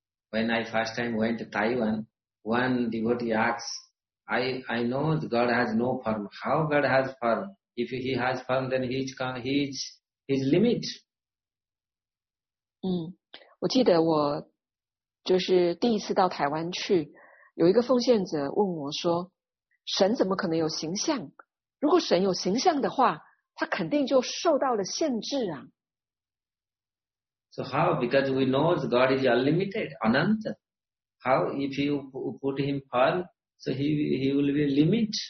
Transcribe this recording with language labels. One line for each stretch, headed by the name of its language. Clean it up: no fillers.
English: When I first time went to Taiwan, one devotee asks, I know God has no form. How God has form? If he has form, then he is limit.
Chinese: 我记得我就是第一次到台湾去，有一个奉献者问我说，神怎么可能有形象？如果神有形象的话，他肯定就受到了限制啊。
English: So how? Because we know God is unlimited, ananta. How if you put him far, so he will be limit.